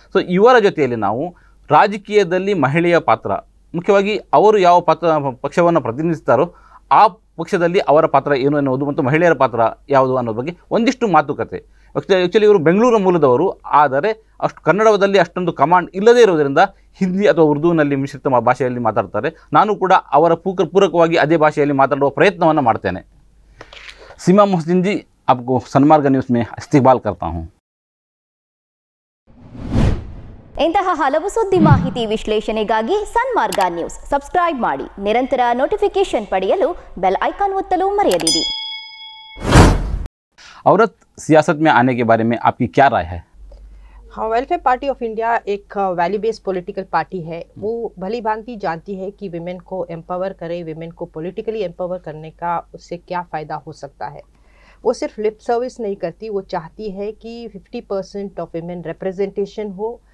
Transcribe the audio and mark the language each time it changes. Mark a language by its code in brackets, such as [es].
[kn] So ಇವರ ಜೊತೆಯಲ್ಲಿ ನಾವು ರಾಜಕೀಯದಲ್ಲಿ ಮಹಿಳೆಯ ಪಾತ್ರ, ಮುಖ್ಯವಾಗಿ ಅವರು ಯಾವ ಪಾತ್ರ ಪಕ್ಷವನ್ನು ಪ್ರತಿನಿಧಿಸುತ್ತಾರೋ ಆ ಪಕ್ಷದಲ್ಲಿ ಅವರ ಪಾತ್ರ ಏನು ಎನ್ನುವುದು ಮತ್ತು ಮಹಿಳೆಯರ ಪಾತ್ರ ಯಾವುದು ಅನ್ನೋದು ಬಗ್ಗೆ ಒಂದಿಷ್ಟು ಮಾತುಕತೆ. ಆಕ್ಚುಲಿ ಇವರು ಬೆಂಗಳೂರು ಮೂಲದವರು, ಆದರೆ ಅಷ್ಟು ಕನ್ನಡದಲ್ಲಿ ಅಷ್ಟೊಂದು ಕಮಾಂಡ್ ಇಲ್ಲದೇ ಇರೋದರಿಂದ ಹಿಂದಿ ಅಥವಾ ಉರ್ದುವಿನಲ್ಲಿ ಮಿಶ್ರಿತ ಭಾಷೆಯಲ್ಲಿ ಮಾತಾಡ್ತಾರೆ. ನಾನು ಕೂಡ ಅವರ ಪೂರಕವಾಗಿ ಅದೇ ಭಾಷೆಯಲ್ಲಿ ಮಾತಾಡುವ ಪ್ರಯತ್ನವನ್ನು ಮಾಡ್ತೇನೆ. [hi] ಸೀಮಾ ಮೊಹಸಿನ್ ಜಿ, आपको सन्मार्ग न्यूज में इस्तीकबाल करता हूं. [kn] ಇಂತಹ ಹಲವು ಸುದ್ದಿ ಮಾಹಿತಿ ವಿಶ್ಲೇಷಣೆಗಾಗಿ ಸನ್ಮಾರ್ಗ ನ್ಯೂಸ್ ಸಬ್ಸ್ಕ್ರೈಬ್ ಮಾಡಿ. ನಿರಂತರ ನೋಟಿಫಿಕೇಶನ್ ಪಡೆಯಲು ಬೆಲ್ ಐಕಾನ್ ಒತ್ತಲು ಮರೆಯದಿರಿ. [hi] ಔರತ್ ಸಿಯಾಸತ್ ಮೇ ಆನೆ ಕೆ ಬಾರೆ ಮೇ ಆಪ್ಕಿ ಕ್ಯಾ ರಾಯ್ ಹೈ? हाँ, वेलफेयर पार्टी ऑफ इंडिया एक वैल्यू बेस्ड पॉलिटिकल पार्टी है. वो भली भांति जानती है कि विमेन को एम्पावर करे, विमेन को पॉलिटिकली एम्पावर करने का उससे क्या फ़ायदा हो सकता है. वो सिर्फ लिप सर्विस नहीं करती, वो चाहती है कि 50% ऑफ विमेन रिप्रेजेंटेशन हो.